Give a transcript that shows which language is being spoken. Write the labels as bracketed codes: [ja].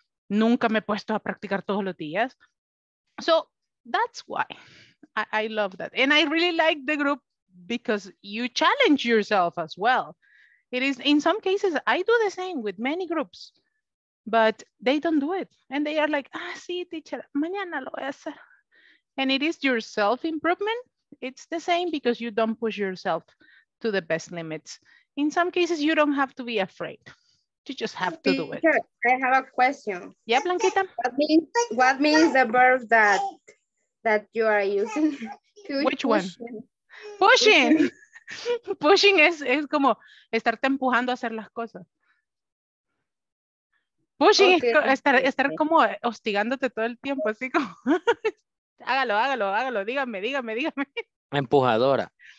[es] Nunca me he puesto a practicar todos los días. [en] So that's why I love that. And I really like the group because you challenge yourself as well. It is, in some cases, I do the same with many groups, but they don't do it. And they are like, [es] ah, sí, teacher, mañana lo voy a hacer. [en] And it is your self-improvement. It's the same because you don't push yourself to the best limits. In some cases, you don't have to be afraid. You just have to do it. I have a question. Yeah, Blanquita? What means the verb that you are using? Which one? Pushing. [es] Pushing es como estarte empujando a hacer las cosas. Pushing okay. Es estar como hostigándote todo el tiempo, así como, hágalo, dígame. Empujadora.